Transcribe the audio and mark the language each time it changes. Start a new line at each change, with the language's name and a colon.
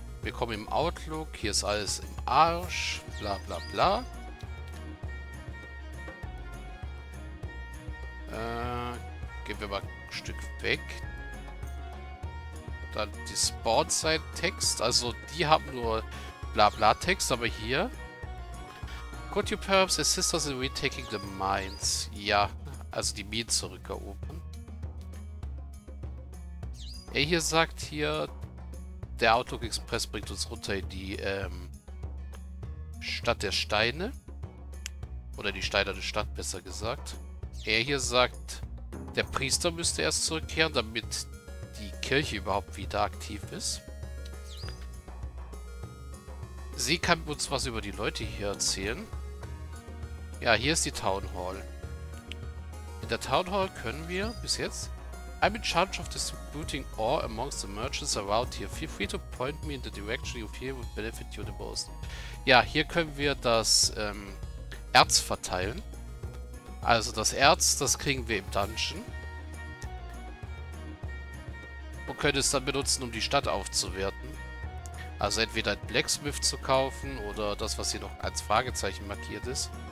German: Willkommen im Outlook. Hier ist alles im Arsch. Bla bla bla. Gehen wir mal ein Stück weg. Dann die Spawn-Side-Text. Also die haben nur Blabla-Text, aber hier.
English: Could you perhaps assist us in retaking the mines?
German: Ja, also die Minen zurückerobern. Er hier sagt hier, der Outlook Express bringt uns runter in die Stadt der Steine. Oder die steinerne Stadt, besser gesagt. Er hier sagt, der Priester müsste erst zurückkehren, damit die Kirche überhaupt wieder aktiv ist. Sie kann uns was über die Leute hier erzählen. Ja, hier ist die Town Hall. In der Town Hall können wir, bis jetzt,
English: I'm in charge of distributing ore amongst the merchants around here. Feel free to point me in the direction you feel would benefit you the most.
German: Ja, hier können wir das Erz verteilen. Also das Erz, das kriegen wir im Dungeon. Und können es dann benutzen, um die Stadt aufzuwerten. Also entweder ein Blacksmith zu kaufen oder das, was hier noch als Fragezeichen markiert ist.